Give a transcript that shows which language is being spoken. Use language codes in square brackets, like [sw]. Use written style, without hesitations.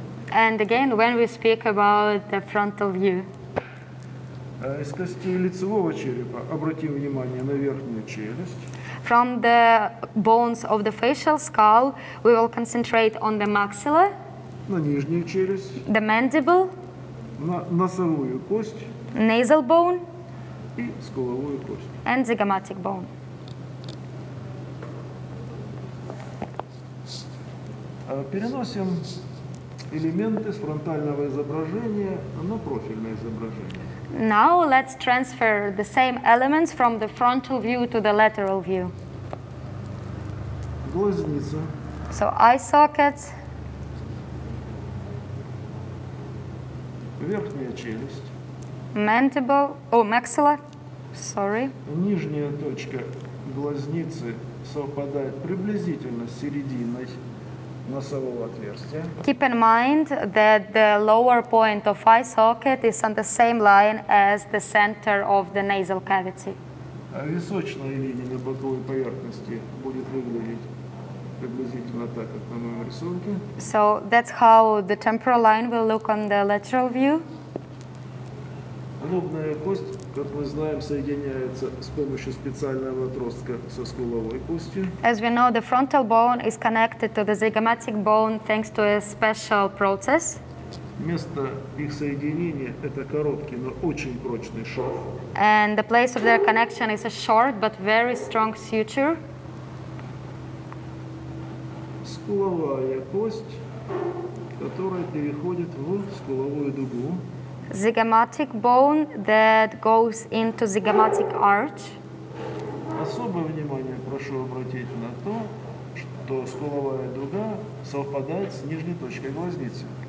[en] And again, when we speak about the frontal view. [ru] Из костей лицевого черепа обратим внимание на верхнюю челюсть. [en] From the bones of the facial skull, we will concentrate on the maxilla. [ru] На нижнюю челюсть. [en] The mandible. [ru] На носовую кость. [en] Nasal bone. [ru] И скуловую кость. [en] And zygomatic bone. [ru] Переносим элементы с фронтального изображения на профильное изображение. [en] Now let's transfer the same elements from the frontal view to the lateral view. [ru] Глазница. [en] So eye sockets. [ru] Верхняя челюсть. [en] Mandible, oh, maxilla, sorry. [ru] Нижняя точка глазницы совпадает приблизительно с серединой носового отверстия. [en] Keep in mind that the lower point of eye socket is on the same line as the center of the nasal cavity. [ru] Височная линия на боковой поверхности будет выглядеть приблизительно так, как на моем рисунке. [en] So that's how the temporal line will look on the lateral view. [ru] Лобная кость, как мы знаем, соединяется с помощью специального отростка со скуловой костью. [en] As we know, the frontal bone is connected to the zygomatic bone thanks to a special process. [ru] Место их соединения – это короткий, но очень прочный шов. [en] And the place of their connection is a short but very strong suture. [ru] Скуловая кость, которая переходит в скуловую дугу. [en] Zygomatic bone that goes into zygomatic arch. [ru] Особое внимание прошу обратить на то, что скуловая дуга совпадает с нижней точкой глазницы.